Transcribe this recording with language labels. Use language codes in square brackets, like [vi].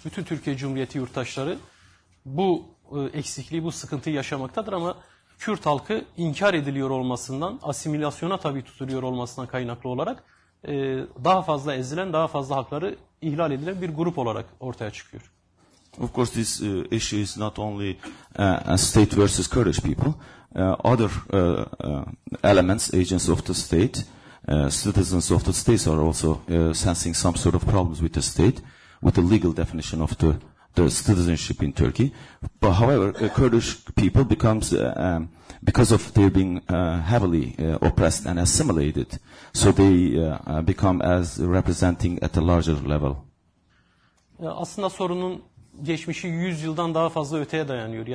[tr] Bütün Türkiye Cumhuriyeti yurttaşları bu eksikliği, bu sıkıntıyı yaşamaktadır ama Kürt halkı inkar ediliyor olmasından, asimilasyona tabi tutuluyor olmasından kaynaklı olarak daha fazla ezilen, daha fazla hakları ihlal edilen bir grup olarak ortaya çıkıyor. [en] Of course this issue is not only a state versus Kurdish people. Other elements, agents of the state, citizens of the states are also sensing some sort of problems with the state, with the legal definition of the citizenship in Turkey. But however, Kurdish people becomes, because of their being heavily oppressed and assimilated, so they become as representing at a larger level. [tr] Aslında sorunun geçmişi 100 yıldan daha fazla öteye dayanıyor.